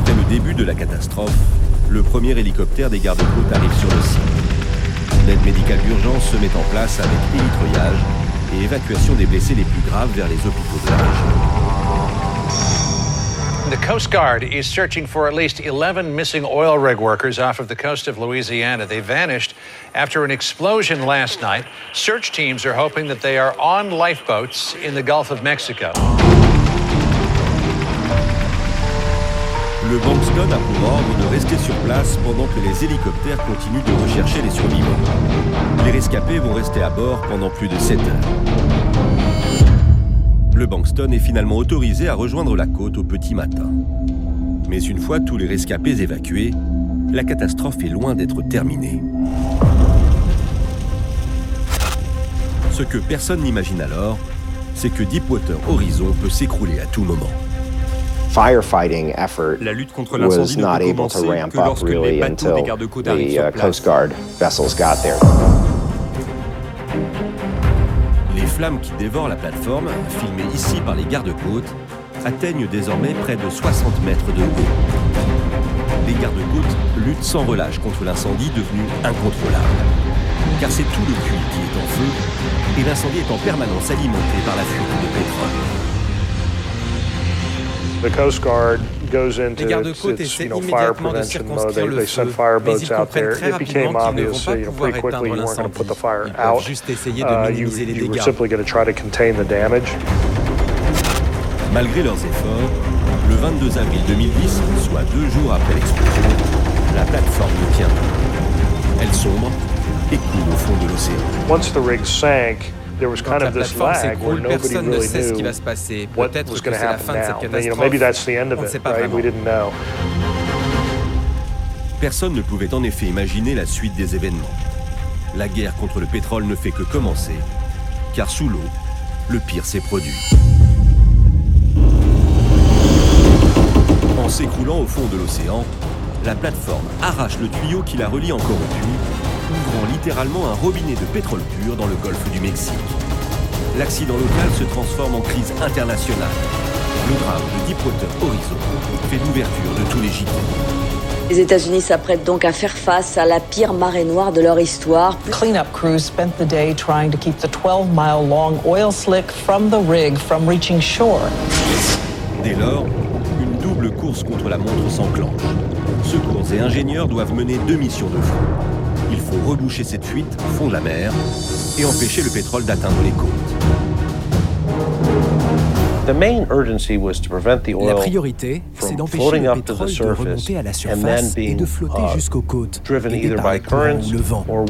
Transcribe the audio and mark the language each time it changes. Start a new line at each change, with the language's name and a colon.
French: Début de la catastrophe, le premier hélicoptère des gardes-côtes arrive sur le site. L'aide médicale d'urgence se met en place avec hélitreuillage et évacuation des blessés les plus graves vers les hôpitaux de la région.
English: The Coast Guard is searching for at least 11 missing oil rig workers off of the coast of Louisiana. They vanished after an explosion last night. Search teams are hoping that they are on lifeboats in the Gulf of Mexico.
French: Le Bankston a pour ordre de rester sur place pendant que les hélicoptères continuent de rechercher les survivants. Les rescapés vont rester à bord pendant plus de 7 heures. Le Bankston est finalement autorisé à rejoindre la côte au petit matin. Mais une fois tous les rescapés évacués, la catastrophe est loin d'être terminée. Ce que personne n'imagine alors, c'est que Deepwater Horizon peut s'écrouler à tout moment.
English: Firefighting effort
French: la lutte contre l'incendie
English: was not able to ramp up really until the Coast Guard vessels got there.
French: Les flammes qui dévorent la plateforme, filmées ici par les gardes-côtes, atteignent désormais près de 60 mètres de haut. Les gardes-côtes luttent sans relâche contre l'incendie devenu incontrôlable. Car c'est tout le puits qui est en feu et l'incendie est en permanence alimenté par la fuite de pétrole.
English: The Coast Guard goes into its you know, fire prevention mode. They send fireboats out there. It became obvious pretty quickly you weren't going to put the fire out. You were simply going to try to contain the damage.
French: Malgré leurs efforts, le 22 avril 2010, soit deux jours après l'explosion, la plateforme ne tient plus. Elle sombre et coule au fond de l'océan.
English: Once the rig sank, there was kind of this lag where nobody really knew what was going to happen.
French: Personne ne sait ce qui va se passer. Peut-être que c'est la fin de cette catastrophe.
English: Maybe that's the end of it. Right? We didn't know.
French: Personne ne pouvait en effet imaginer la suite des événements. La guerre contre le pétrole ne fait que commencer, car sous l'eau, le pire s'est produit. En s'écroulant au fond de l'océan, la plateforme arrache le tuyau qui la relie encore au puits, ouvrant littéralement un robinet de pétrole pur dans le golfe du Mexique. L'accident local se transforme en crise internationale. Le drame de Deepwater Horizon fait l'ouverture de tous les gîtes. Les États-Unis s'apprêtent donc à faire face à la pire marée noire de leur histoire.
English: Cleanup crews spent the day trying to keep the 12-mile-long oil slick from the rig from reaching shore.
French: Dès lors, une double course contre la montre s'enclenche. Secours et ingénieurs doivent mener deux missions de fond. Il faut reboucher cette fuite au fond de la mer et empêcher le pétrole d'atteindre les côtes. La priorité, c'est d'empêcher le pétrole de remonter à la surface et de flotter jusqu'aux côtes, aidé par le courant ou le vent.